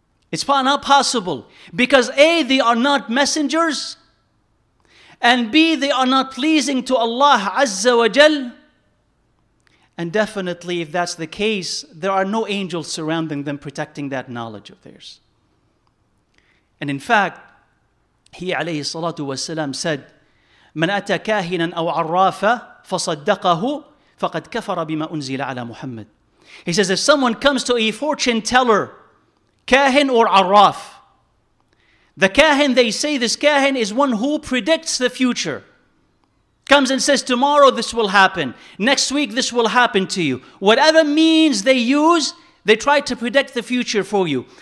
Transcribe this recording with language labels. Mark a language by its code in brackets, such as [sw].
[en] It's not possible. Because A, they are not messengers. And B, they are not pleasing to Allah Azza wa Jal. And definitely, if that's the case, there are no angels surrounding them protecting that knowledge of theirs. And in fact, he [ar] alayhi salatu wasalam [en] said, [ar] من أتى كاهنا أو عرافا فصدقه فقد كفر بما أنزل على محمد. [en] He says, if someone comes to a fortune teller, kahin or arraf, the kahin, they say this kahin is one who predicts the future. Comes and says, tomorrow this will happen. Next week this will happen to you. Whatever means they use, they try to predict the future for you.